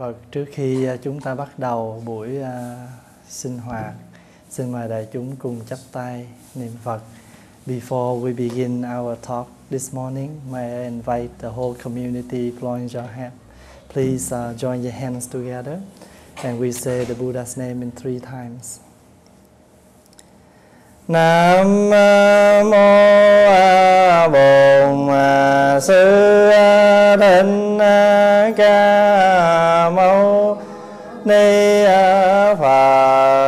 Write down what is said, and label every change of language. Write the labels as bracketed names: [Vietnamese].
[Vietnamese] Trước khi chúng ta bắt đầu buổi sinh hoạt Xin mời đại chúng cùng chắp tay niệm Phật. [English] Before we begin our talk this morning, may I invite the whole community join your hand. Please join your hands together and we say the Buddha's name in 3 times. [Vietnamese] Nam mô A Bổn Sư Thích Ca Mâu Ni Phật.